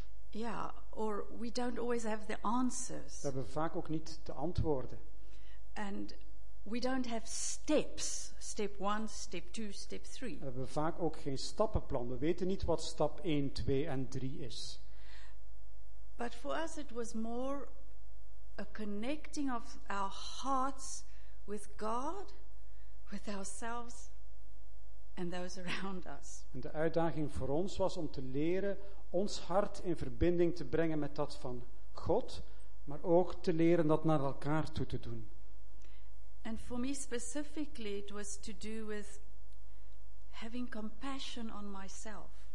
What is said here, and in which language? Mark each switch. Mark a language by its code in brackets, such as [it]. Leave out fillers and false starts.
[en] Ja, yeah, or we don't always have the answers. [nl] We hebben vaak ook niet de antwoorden. [en] And we don't have steps. Step 1, step 2, step 3. [nl] We hebben vaak ook geen stappenplan. We weten niet wat stap 1, 2 en 3 is. [en] But for us it was more a connecting of our hearts with God, with ourselves and those around us. [nl] En de uitdaging voor ons was om te leren ons hart in verbinding te brengen met dat van God, maar ook te leren dat naar elkaar toe te doen. [en] And for me specifically it was to do with having compassion on myself.